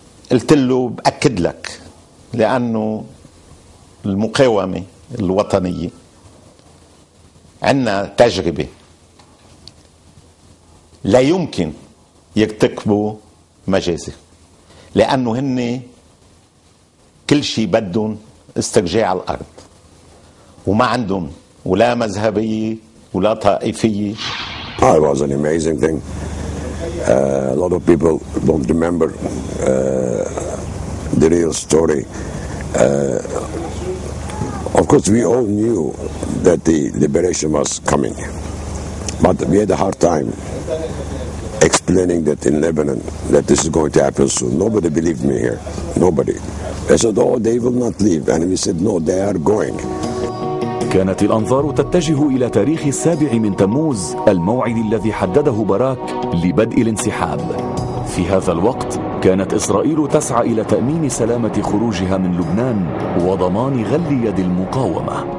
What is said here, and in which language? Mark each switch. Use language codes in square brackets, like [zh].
[ar] قلت له باكد لك لانه المقاومه الوطنيه عندنا تجربه لا يمكن يرتكبوا مجازر لانه هن كل شيء بدهم استرجاع الارض وما عندهم ولا مذهبيه ولا طائفيه. [en] It was an amazing thing. A lot of people don't remember the real story. Of course we all knew that the liberation was coming. But we had a hard time explaining that in Lebanon that this is going to happen soon. Nobody believed me here. Nobody. I said, oh, they will not leave. And we said, no, they are going. [ar] كانت الأنظار تتجه إلى تاريخ السابع من تموز الموعد الذي حدده باراك لبدء الانسحاب. في هذا الوقت كانت إسرائيل تسعى إلى تأمين سلامة خروجها من لبنان وضمان غل يد المقاومة.